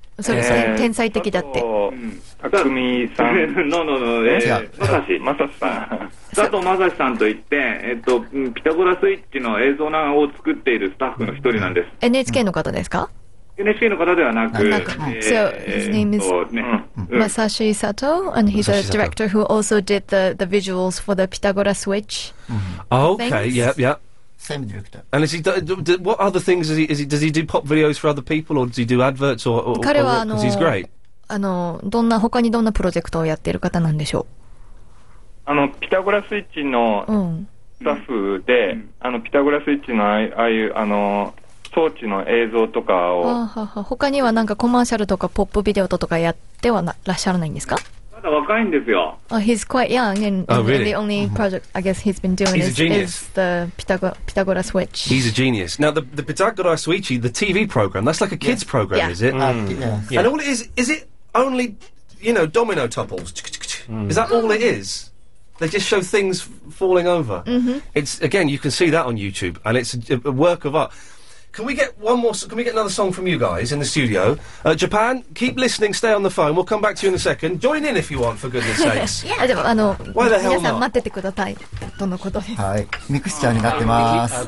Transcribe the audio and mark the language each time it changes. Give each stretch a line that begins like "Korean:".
Japanese: そうですね。天才的だって。佐藤正史さんといって、ピタゴラスイッチの映像を作っているスタッフの一人なんです。NHKの方ですか? NHKの方ではなく、
English: Masashi Sato, and he's Masashi a director Sato. Who also did the visuals for the Pythagoras switch. Mm-hmm. Oh, okay, yeah. Same director. And is he? What other things is he? Is he? Does he do pop videos for other people, or does he do adverts, or? Because he's great.
Japanese: どんな他にどんなプロジェクトをやっている方なんでしょう? あのピタゴラスイッチのスタッフで、うん、あのピタゴラスイッチのああいうあの装置の映像とかを、はあはあ、他にはなんかコマーシャルとかポップビデオとかやってはらっしゃらないんですか？まだ若いんですよ。
English: Oh, he's quite young, and, oh, really? and the only project I guess he's been doing is the Pythagoras Switch. He's a genius. Now, the Pythagoras Switch, the TV program, that's like a kids program, is it? Yeah. And all it is it only, you know, domino topples? Is that all it is? They just show things falling over. Mm-hmm. It's again, you can see that on YouTube, and it's a work of art. Can we get one more? Can we get another song from you guys in the studio? Japan, keep listening. Stay on the phone. We'll come back to you in a second. Join in if you want, for goodness sakes. Yeah. Why the hell not?
Japanese: 皆さん待っててください。とのことです。はい。ミクスチャーになってます。